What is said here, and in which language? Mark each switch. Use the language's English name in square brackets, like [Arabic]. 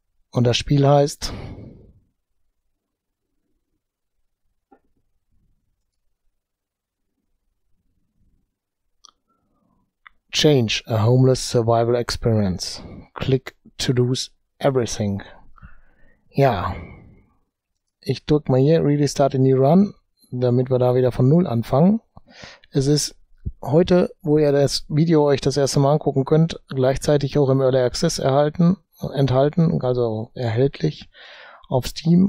[German] Und das Spiel heißt Change, a homeless survival experience. [English] Click to lose everything. [German] Ja. Ich drücke mal hier, [English] really start a new run, [German] damit wir da wieder von Null anfangen. Es ist heute, wo ihr das Video euch das erste Mal angucken könnt, gleichzeitig auch im Early Access enthalten, also erhältlich auf Steam.